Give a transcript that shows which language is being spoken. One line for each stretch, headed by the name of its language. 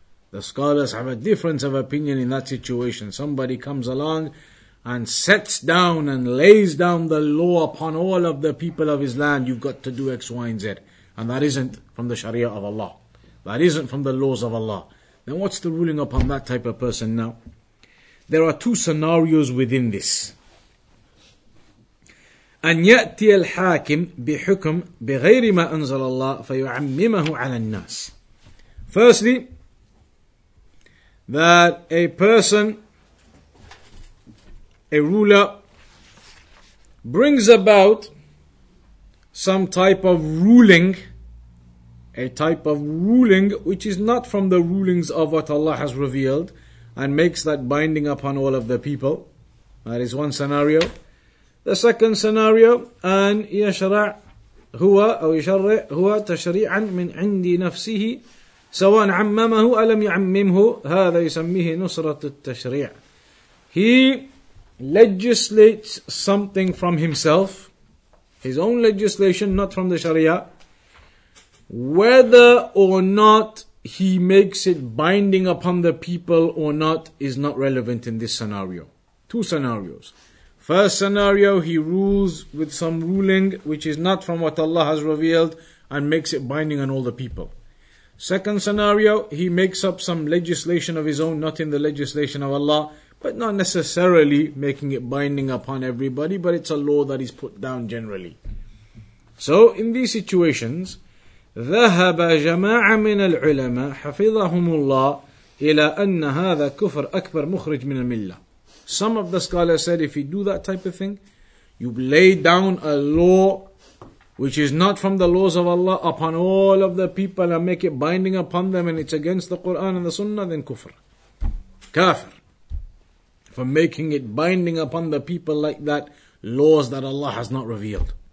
English: The scholars have a difference of opinion in that situation. Somebody comes along and sets down and lays down the law upon all of the people of his land. You've got to do X, Y, and Z. And that isn't from the Sharia of Allah. That isn't from the laws of Allah. Then what's the ruling upon that type of person now? There are two scenarios within this.
Arabic: أن يأتي الحاكم بحكم بغير ما أنزل الله فيعممه على الناس.
English: Firstly, that a person, a ruler, brings about some type of ruling, a type of ruling which is not from the rulings of what Allah has revealed, and makes that binding upon all of the people. That is one scenario. The second scenario,
Arabic: أن يشرع هو أو يشرع هو تشريعا من عندي نفسه سواء عممه ألم يعممه هذا يسميه نصرة التشريع.
English: He legislates something from himself, his own legislation, not from the Sharia. Whether or not he makes it binding upon the people or not is not relevant in this scenario. Two scenarios. First scenario, he rules with some ruling which is not from what Allah has revealed and makes it binding on all the people. Second scenario, he makes up some legislation of his own, not in the legislation of Allah, but not necessarily making it binding upon everybody, but it's a law that is put down generally. So in these situations,
Arabic: ذهب جماعة من العلماء حفظهم الله إلى أن هذا كفر أكبر مخرج من الملة.
English: Some of the scholars said, if you do that type of thing, you lay down a law which is not from the laws of Allah upon all of the people and make it binding upon them, and it's against the Quran and the Sunnah, then kufr. Kafir. For making it binding upon the people like that, laws that Allah has not revealed.